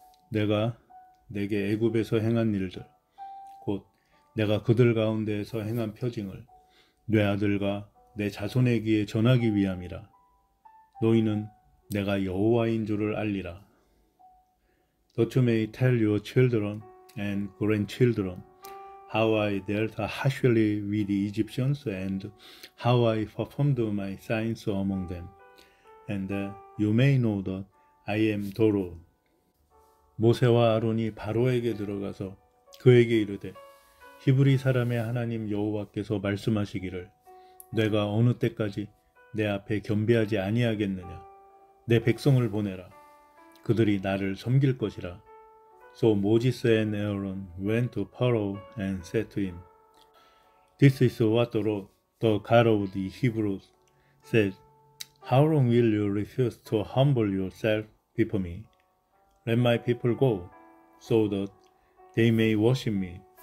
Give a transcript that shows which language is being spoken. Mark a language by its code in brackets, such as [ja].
[ko] 내가 내게 애굽에서 행한 일들, 곧 내가 그들 가운데에서 행한 표징을 내 아들과 내 자손의 귀에 전하기 위함이라. 너희는 내가 여호와인 줄을 알리라. [en] That you may tell your children and grandchildren how I dealt harshly with the Egyptians and how I performed my signs among them, and that you may know that I am the Lord. [ko] 모세와 아론이 바로에게 들어가서 그에게 이르되 히브리 사람의 하나님 여호와께서 말씀하시기를 내가 어느 때까지 내 앞에 겸비하지 아니하겠느냐 내 백성을 보내라 그들이 나를 섬길 것이라. [en] So Moses and Aaron went to Pharaoh and said to him, This is what the Lord, the God of the Hebrews, said, How long will you refuse to humble yourself before me? Let my people go, so that they may worship me.